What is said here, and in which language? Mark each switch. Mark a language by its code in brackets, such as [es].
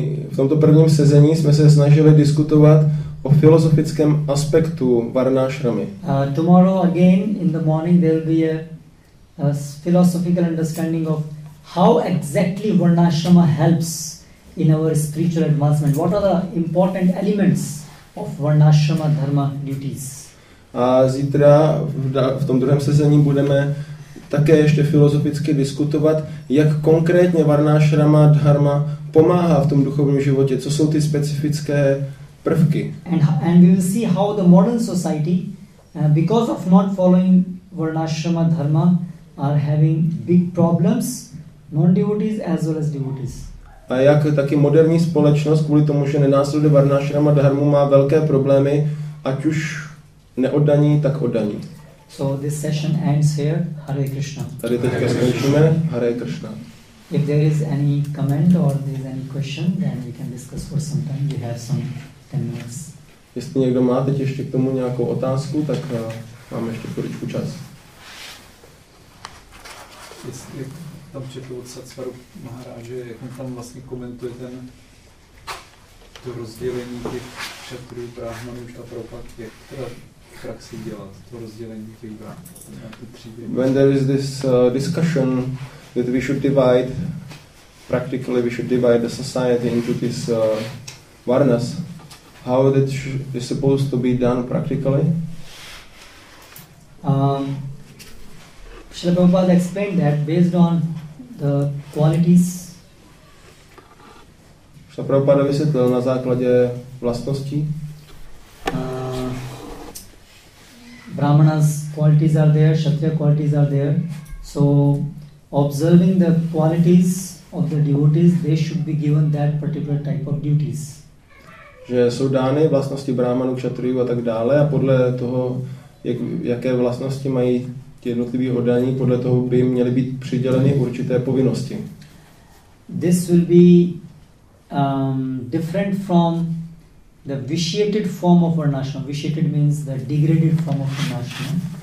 [cs] V tomto prvním sezení jsme se snažili diskutovat o filozofickém aspektu Varnashramy. [en] Tomorrow again in the morning there will be a philosophical understanding of how exactly Varnashrama helps in our spiritual advancement. What are the important elements of Varnashrama dharma duties? [cs] A zítra v tom druhém sezení budeme také ještě filozoficky diskutovat, jak konkrétně Varnashrama dharma pomáhá v tom duchovním životě, co jsou ty specifické prvky. [en] And we will see how the modern society, because of not following Varnashrama dharma, are having big problems. Non-devotees as well as devotees. [cs] A jak taky moderní společnost kvůli tomu, že nenásleduje Varnashrama dharmu, má velké problémy, ať už neoddaní, tak oddaní. [en] So this session ends here. Hare Krishna. [cs] Tady teďka skončíme. Hare Krishna. [en] If there is any comment or there is any question, then we can discuss for some time. We have some 10 minutes. [cs] Jestli někdo má teď ještě k tomu nějakou otázku, tak máme ještě chvíličku čas. Tam četl od Satsvaru Maharáže, jak on tam vlastně komentuje to rozdělení těch šatrů brahmanů a propad, jak teda v praxi dělat to rozdělení těch brahmanů. [en] When there is this discussion that we should divide, practically we should divide the society into these varnas, how that is supposed to be done practically? Srila Prabhupada explained that based on the qualities. [cs] Srila Prabhupada vysvětlil na základě vlastností. [en] Brahmana's qualities are there, Kshatriya qualities are there. So, observing the qualities of the devotees, they should be given that particular type of duties. [cs] Že jsou dány vlastnosti brahmanů, kšatriů a tak dále a podle toho, jaké vlastnosti mají ty jednotlivé oddání, podle toho by jim měly být přiděleny určité povinnosti. [en] This will be different from the vitiated form of varnashram. Vitiated means the degraded form of varnashram.